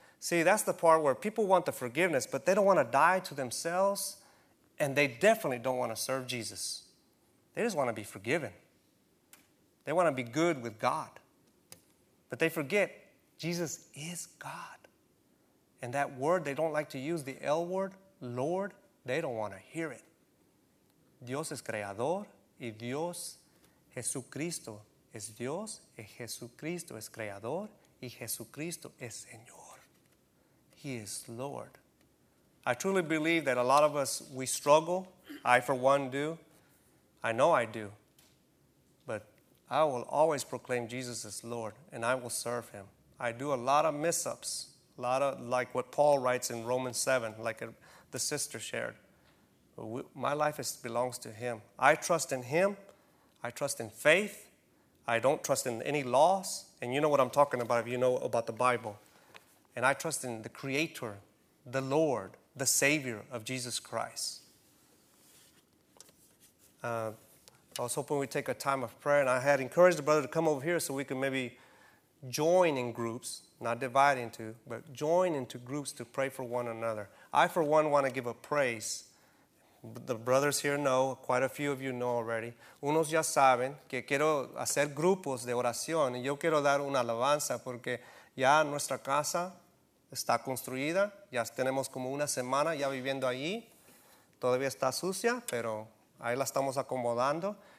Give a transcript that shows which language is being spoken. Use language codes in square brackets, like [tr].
[en] See, that's the part where people want the forgiveness, but they don't want to die to themselves, and they definitely don't want to serve Jesus. They just want to be forgiven. They want to be good with God. But they forget Jesus is God. And that word, they don't like to use the L word, Lord, they don't want to hear it. [es] Dios es creador y Dios Jesucristo es Dios y Jesucristo es creador y Jesucristo es Señor. [en] He is Lord. I truly believe that a lot of us, we struggle. I for one do. I know I do. But I will always proclaim Jesus as Lord and I will serve him. I do a lot of mess-ups, a lot of like what Paul writes in Romans 7, like the sister shared. My life belongs to him. I trust in him. I trust in faith. I don't trust in any laws. And you know what I'm talking about if you know about the Bible. And I trust in the Creator, the Lord, the Savior of Jesus Christ. I was hoping we'd take a time of prayer. And I had encouraged the brother to come over here so we could maybe join in groups, not divide into, but join into groups to pray for one another. I, for one, want to give a praise. The brothers here know, quite a few of you know already. [es] Unos ya saben que quiero hacer grupos de oración. Y yo quiero dar una alabanza porque ya nuestra casa está construida. Ya tenemos como una semana ya viviendo allí. Todavía está sucia, pero ahí la estamos acomodando.